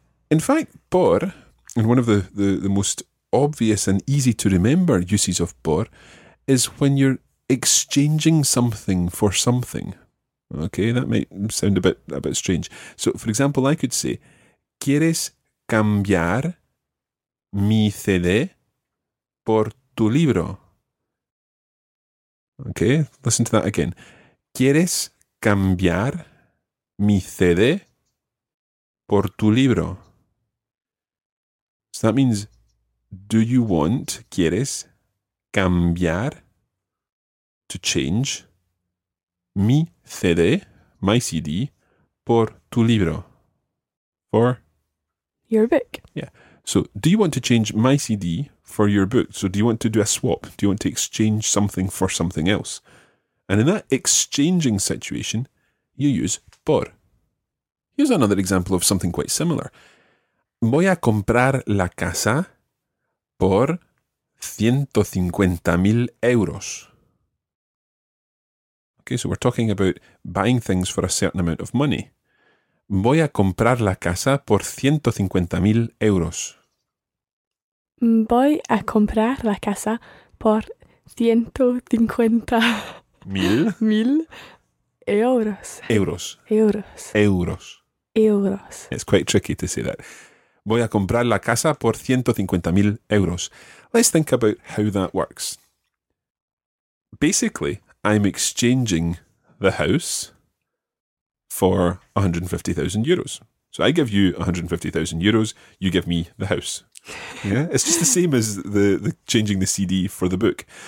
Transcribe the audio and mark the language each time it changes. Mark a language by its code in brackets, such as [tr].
[en] In fact, por, in one of the most obvious and easy to remember uses of por, is when you're exchanging something for something. Okay, that might sound a bit strange. So, for example, I could say, [es] ¿quieres cambiar mi CD por tu libro? [en] Okay, listen to that again. [es] ¿Quieres cambiar mi CD por tu libro? [en] So that means, do you want, [es] quieres, cambiar, [en] to change, mi CD, my CD, [es] por tu libro, [en] for your book. Yeah. So, do you want to change my CD for your book? So, do you want to do a swap? Do you want to exchange something for something else? And in that exchanging situation, you use por. Here's another example of something quite similar. [es] Voy a comprar la casa por 150,000 euros. [en] Okay, so we're talking about buying things for a certain amount of money. [es] Voy a comprar la casa por 150,000 euros. Voy a comprar la casa por 150,000 euros. Euros. Euros. Euros. Euros. [en] It's quite tricky to say that. [es] Voy a comprar la casa por 150,000 euros. [en] Let's think about how that works. Basically, I'm exchanging the house for 150,000 euros. So I give you 150,000 euros, you give me the house. Yeah, it's just the same as the changing the CD for the book.